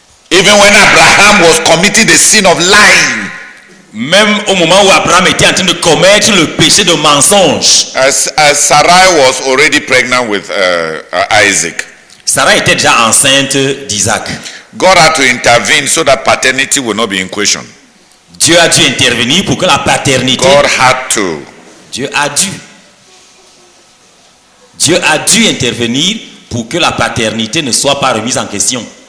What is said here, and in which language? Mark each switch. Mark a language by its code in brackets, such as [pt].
[en] Even when Abraham was committing the sin of lying. [fr] Même au moment où Abraham était en train de commettre le péché de mensonge. [en] As Sarai was already pregnant with Isaac. [fr] Sarah était déjà enceinte d'Isaac. [en] God had to intervene so that paternity would not be in question. [fr] Dieu a dû intervenir pour que la paternité. [en] God had to. [fr] Dieu a dû intervenir pour que la paternité ne soit pas remise en question.